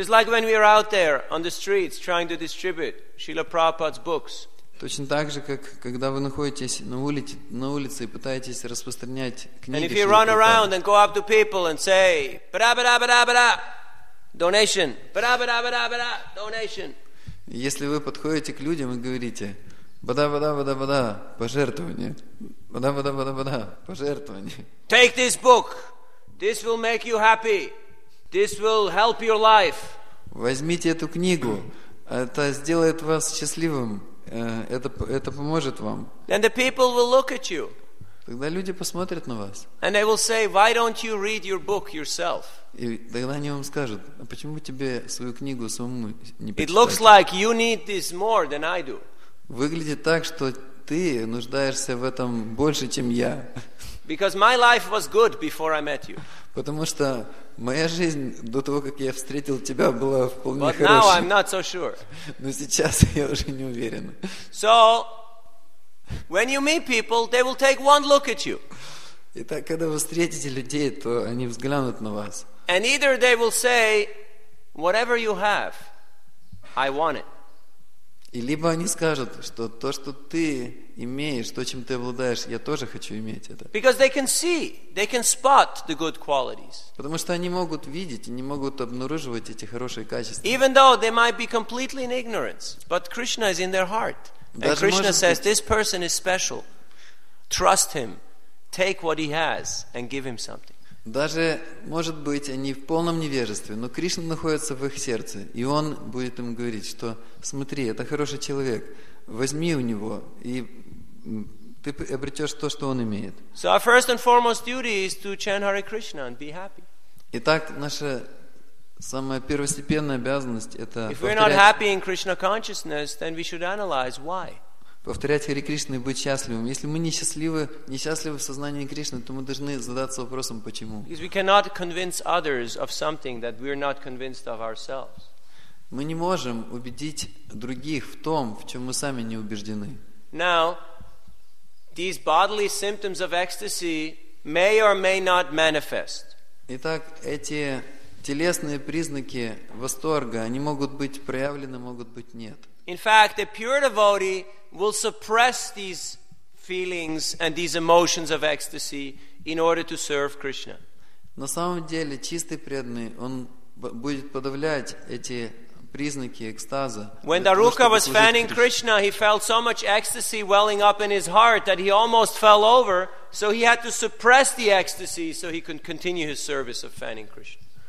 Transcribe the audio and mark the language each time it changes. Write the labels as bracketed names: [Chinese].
[English] Just like when we are out there on the streets trying to distribute Srila Prabhupada's books. [Russian] Точно так же, как когда вы находитесь на улице и пытаетесь распространять книги. [English] And if you run around and go up to people and say, ba-da-ba-da-ba-da-ba-da, donation, ba-da-ba-da-ba-da-ba-da, donation. [Russian] Если вы подходите к людям и говорите, вода, пожертвование. Вода, пожертвование. [English] Take this book. This will make you happy. This will help your life. [Russian] Возьмите эту книгу. Это сделает вас счастливым. Это поможет вам. [English] And the people will look at you. [Russian] Тогда люди посмотрят на вас. [English] And they will say, why don't you read your book yourself? [Russian] И тогда они вам скажут, а почему тебе свою книгу самому не почитать? [English] It looks like you need this more than I do. [Russian] Выглядит так, что ты нуждаешься в этом больше, чем я. [English] Because my life was good before I met you. [Russian] Потому что моя жизнь до того, как я встретил тебя, была вполне [English] But [Russian] хорошей. [English] Now I'm not so sure. [Russian] Но сейчас я уже не уверен. [English] So, when you meet people, they will take one look at you. [Russian] Итак, когда вы встретите людей, то они взглянут на вас. [English] And either they will say, whatever you have, I want it. [Russian] И либо они скажут, что то, что ты имеешь, то, чем ты обладаешь, я тоже хочу иметь это. [English] Because they can see, they can spot the good qualities. [Russian] Потому что они могут видеть, они могут обнаруживать эти хорошие качества. [English] Even though they might be completely in ignorance, but Krishna is in their heart. And Krishna says, this person is special. Trust him. Take what he has and give him something. [Russian] Даже, может быть, они в полном невежестве, но Кришна находится в их сердце, и Он будет им говорить, что смотри, это хороший человек, возьми у него, и ты обретешь то, что он имеет. [English] So our first and foremost duty is to chant Hare Krishna and be happy. [Russian] Итак, наша самая первостепенная обязанность это [English] If we're not happy in Krishna consciousness, then we should analyze why. [Russian] Повторять Хари Кришну и быть счастливым. Если мы несчастливы в сознании Кришны, то мы должны задаться вопросом, почему. [English] Because we cannot convince others of something that we are not convinced of ourselves. [Russian] Мы не можем убедить других в том, в чем мы сами не убеждены. [English] Now, these bodily symptoms of ecstasy may or may not manifest. [Russian] Итак, эти телесные признаки восторга, они могут быть проявлены, могут быть нет. [English] In fact, a pure devotee will suppress these feelings and these emotions of ecstasy in order to serve Krishna. [Russian] На самом деле, чистый преданный, он будет подавлять эти признаки экстаза. [English] When Daruka was fanning Krishna, he felt so much ecstasy welling up in his heart that he almost fell over, so he had to suppress the ecstasy so he could continue his service of fanning Krishna.